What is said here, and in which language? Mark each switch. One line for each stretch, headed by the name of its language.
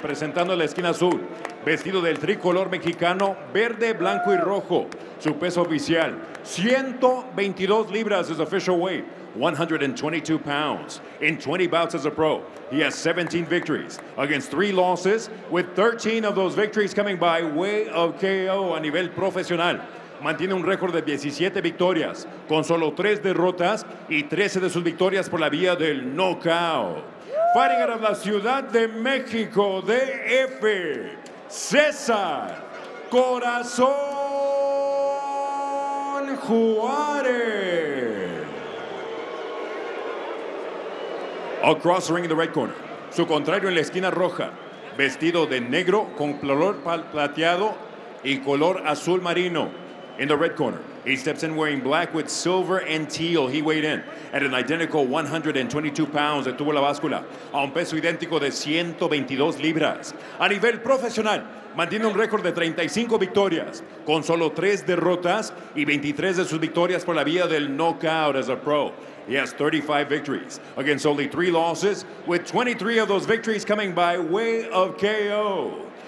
Spanish: Presentando la esquina azul, vestido del tricolor mexicano, verde, blanco, y rojo. Su peso oficial, 122 libras,
English: his official weight. 122 pounds in 20 bouts as a pro. He has 17 victories against 3 losses, with 13 of those victories coming by way of KO.
Spanish: A nivel profesional, mantiene un récord de 17 victorias con solo 3 derrotas y 13 de sus victorias por la vía del knockout.
English: Fighting out of the Ciudad de México, DF, Cesar Corazón Juarez. Across the ring in the red corner,
Spanish: su contrario en la esquina roja, vestido de negro con color plateado y color azul marino.
English: In the red corner, he steps in wearing black with silver and teal. He weighed in at an identical 122 pounds.
Spanish: Detuvo la báscula a un peso idéntico de 122 libras. A nivel profesional, mantiene un récord de 35 victorias con solo 3 derrotas y 23 de sus victorias por la vía del knockout.
English: As a pro, he has 35 victories against only 3 losses, with 23 of those victories coming by way of KO.